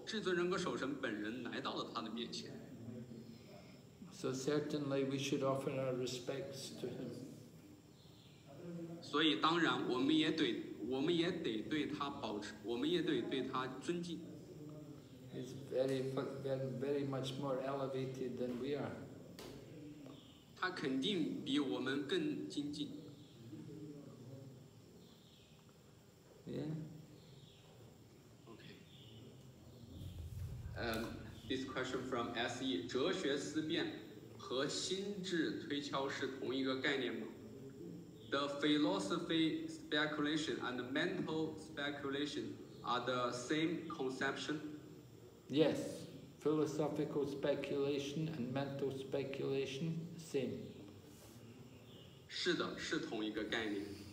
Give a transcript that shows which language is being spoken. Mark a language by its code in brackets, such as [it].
[zh] 因此他是一个很有力量的人，我们也得再次的注意，当他供奉这个祷文的时候，至尊仁格首神本人来到了他的面前。 [en] So certainly we should offer our respects to him. [zh] 所以当然我们也得对他尊敬。 [en] He's very, very, very much more elevated than we are. [zh] 他肯定比我们更精进。 [en] Yeah. Okay. This question from SE, [zh] 哲学思辨。和心智推敲是同一个概念吗? [en] The philosophy speculation and the mental speculation are the same conception? Yes, philosophical speculation and mental speculation, same. [zh] 是的,是同一个概念。